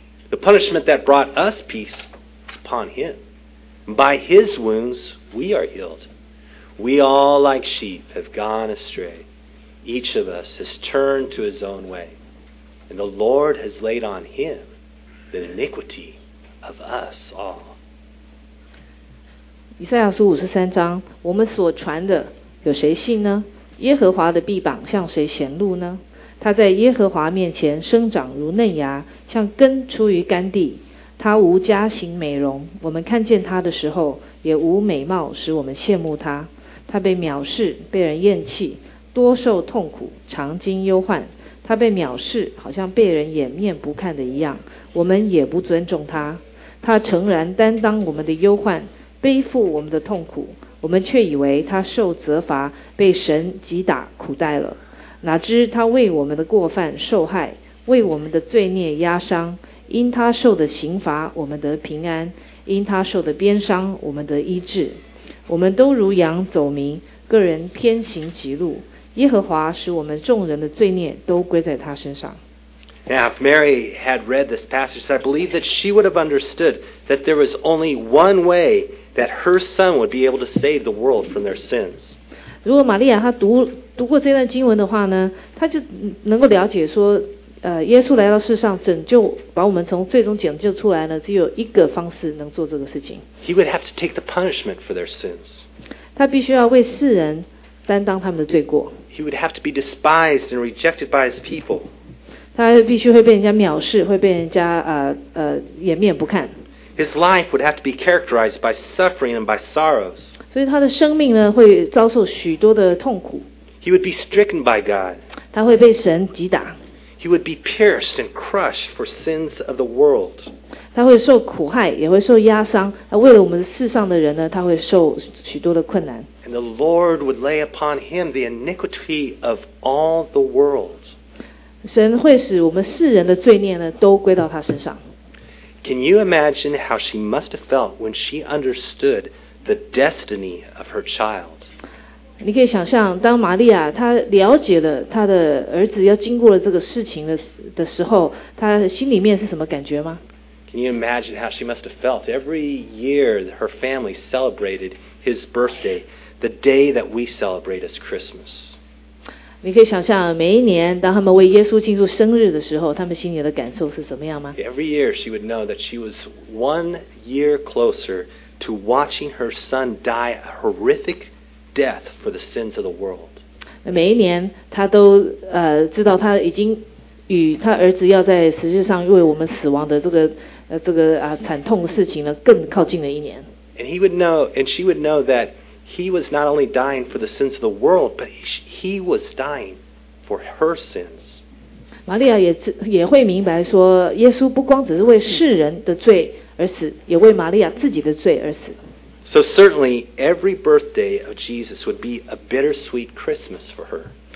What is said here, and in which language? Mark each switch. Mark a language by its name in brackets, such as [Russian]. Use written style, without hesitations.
[English] The punishment that brought us peace was upon him. By his wounds we are healed. We all, like sheep, have gone astray. Each of us has turned to his own way. And the Lord has laid on him the iniquity of us all. [Chinese] 以赛亚书五十三章，我们所传的，有谁信呢？耶和华的臂膀向谁显露呢？他在耶和华面前生长如嫩芽，像根出于干地。他无家行美容，我们看见他的时候也无美貌使我们羡慕他。他被藐视，被人厌弃，多受痛苦，常经忧患。他被藐视，好像被人掩面不看的一样，我们也不尊重他。他诚然担当我们的忧患，背负我们的痛苦，我们却以为他受责罚，被神击打苦待了。哪知他为我们的过犯受害，为我们的罪孽压伤。因他受的刑罚我们得平安，因他受的鞭伤我们得医治。我们都如羊走迷，个人偏行己路，耶和华使我们众人的罪孽都归在他身上。 [English] Now, if Mary had read this passage, I believe that she would have understood that there was only one way that her son would be able to save the world from their sins. [Chinese] 如果玛利亚她 读过这段经文的话呢，她就能够了解说，耶稣来到世上拯救，把我们从最终拯救出来呢，只有一个方式能做这个事情。 [English] He would have to take the punishment for their sins. [Chinese] 他必须要为世人担当他们的罪过。 [English] He would have to be despised and rejected by his people. [Chinese] 他必须会被人家藐视，会被人家颜面不看。 [English] His life would have to be characterized by suffering and by sorrows. [Chinese] 所以他的生命呢，会遭受许多的痛苦。 [English] He would be stricken by God. [Chinese] 他会被神击打。 [English] He would be pierced and crushed for sins of the world. [Chinese] 他会受苦害，也会受压伤。为了我们世上的人呢，他会受许多的困难。 [English] And the Lord would lay upon him the iniquity of all the world. [Chinese] 神会使我们世人的罪孽呢，都归到他身上。 [English] Can you imagine how she must have felt when she understood the destiny of her child? [Chinese] 你可以想象，当玛利亚她了解了她的儿子要经过了这个事情 的时候，她心里面是什么感觉吗？ [English] Can you imagine how she must have felt every year her family celebrated his birthday, the day that we celebrate as Christmas? [Chinese] 你可以想象，每一年当他们为耶稣庆祝生日的时候，他们心里的感受是怎么样吗？ [English] Every year she would know that she was one year closer to watching her son die a horrific death for the sins of the world. [Chinese] 每一年他都知道他已经与他儿子要在实际上为我们死亡的这个惨痛的事情呢更靠近了一年。 [English] And he would know, and she would know that he was not only dying for the sins of the world, but he was dying for her sins. [Chinese] 玛利亚也会明白说，耶稣不光只是为世人的罪而死，也为玛利亚自己的罪而死。 [English] So certainly, every birthday of Jesus would be a bittersweet Christmas for her.